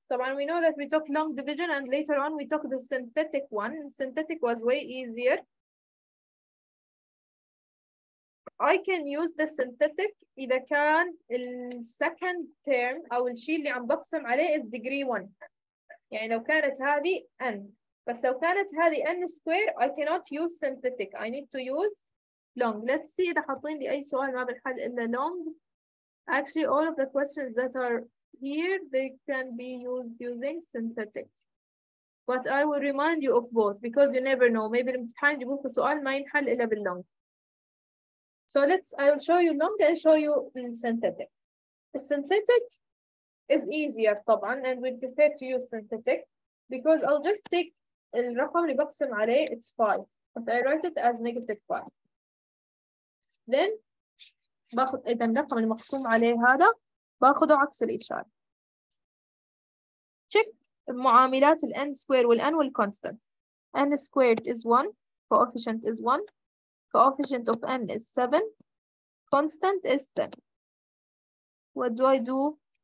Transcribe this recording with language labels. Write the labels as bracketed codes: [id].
[en] So when we know that we took long division and later on we took the synthetic one. Synthetic was way easier. I can use the synthetic [ar] إذا كان [en] second term [ar] أو الشيء اللي عم بقسم عليه [en] is degree 1. [ar] يعني لو كانت هذه n. بس لو كانت هذه n square [en] I cannot use synthetic. I need to use long. Let's see [ar] إذا حاطين لي أي سؤال ما بالحل إلا long. [en] Actually all of the questions that are here they can be used using synthetic. But I will remind you of both because you never know. Maybe [ar] الامتحان يجيبوك سؤال ما ينحل إلا باللونج. [en] So let's, I'll show you long and show you synthetic. The synthetic is easier, [ar] طبعا, [en] and we prefer to use synthetic because I'll just take [ar] الرقم اللي بقسم عليه, [en] it's 5, but I write it as negative 5. [ar] Then, باخد, إذا الرقم اللي مقسوم عليه هذا, باخده عكس الإشارة. Check معاملات الـ n squared والـ n والconstant. [en] N squared is 1, coefficient is 1. Coefficient of n is 7, constant is 10. What do I do?